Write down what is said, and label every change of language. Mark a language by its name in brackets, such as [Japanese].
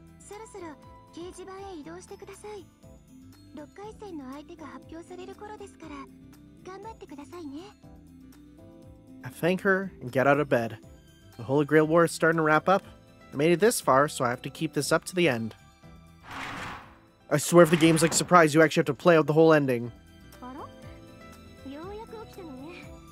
[Japanese] そろそろ掲示板へ移動してください。6回戦の相手が発表される頃ですから頑張ってくださいね。 [English] I thank her and get out of bed. The Holy Grail War is starting to wrap up. I made it this far, so I have to keep this up to the end. I swear if the game's like surprise, you actually have to play out the whole ending. [Japanese] あら?ようやく起きたのね。